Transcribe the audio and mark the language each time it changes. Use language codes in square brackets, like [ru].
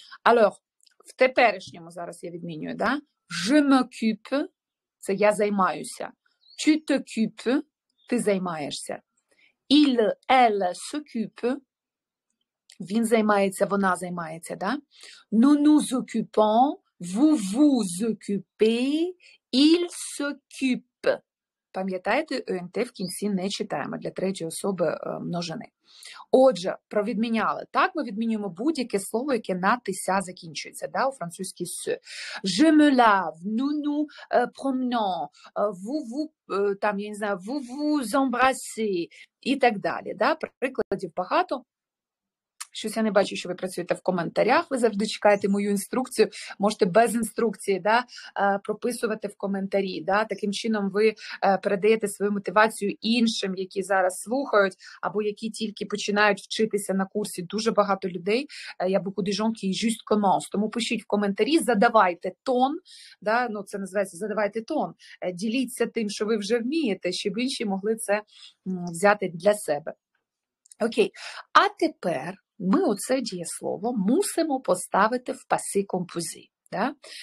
[uk] Alors, в теперішньому зараз я відмінюю, да? [fr] Je m'occupe, [uk] це я займаюся. [fr] Tu t'occupes, [uk] ти займаєшся. [fr] Il, elle s'occupe. [uk] Він займається, вона займається, да? [fr] Nous nous occupons, vous vous occupez, il s'occupe. [uk] Пам'ятаєте, ент в кінці не читаємо для третьої особи множини. Отже, провідміняли. Так, ми відмінюємо будь-яке слово, яке на тися закінчується, да, у французькій с. [fr] Je me lave, nous nous promenons, vous, [uk] там, я не знаю, [fr] vous vous embrassez [uk] і так далі. Да? Прикладів багато. Щось я не бачу, що ви працюєте в коментарях, ви завжди чекаєте мою інструкцію. Можете без інструкції, да, прописувати в коментарі. Да? Таким чином ви передаєте свою мотивацію іншим, які зараз слухають, або які тільки починають вчитися на курсі. Дуже багато людей, я [fr] beaucoup de gens qui juste commencent. [uk] Тому пишіть в коментарі, задавайте тон, да? Ну, це називається задавайте тон, діліться тим, що ви вже вмієте, щоб інші могли це взяти для себе. Окей, а тепер ми оце дієслово мусимо поставити в паси композі. Да?